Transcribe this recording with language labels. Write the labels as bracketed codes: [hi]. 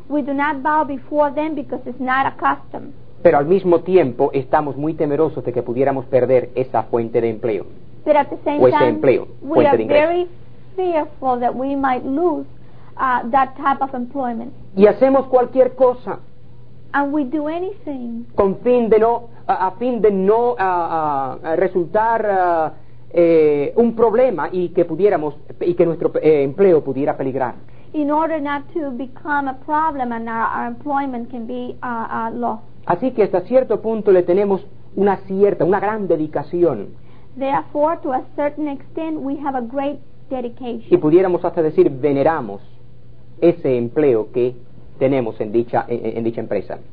[en] We do not bow before them because it's not a custom. [es] Pero al mismo tiempo estamos muy temerosos de que pudiéramos perder esa fuente de empleo. [en] But at the same time, empleo, we are very fearful that we might lose that type of employment. [es] Y hacemos cualquier cosa. [en] And we do anything. [es] Con fin de no, a fin de no resultar un problema y que pudiéramos y que nuestro empleo pudiera peligrar. [en] In order not to become a problem and our employment can be lost. [es] Así que hasta cierto punto le tenemos una gran dedicación. [en] Therefore, to a certain extent, we have a great dedication. [es] Y pudiéramos hasta decir veneramos ese empleo que tenemos en dicha empresa.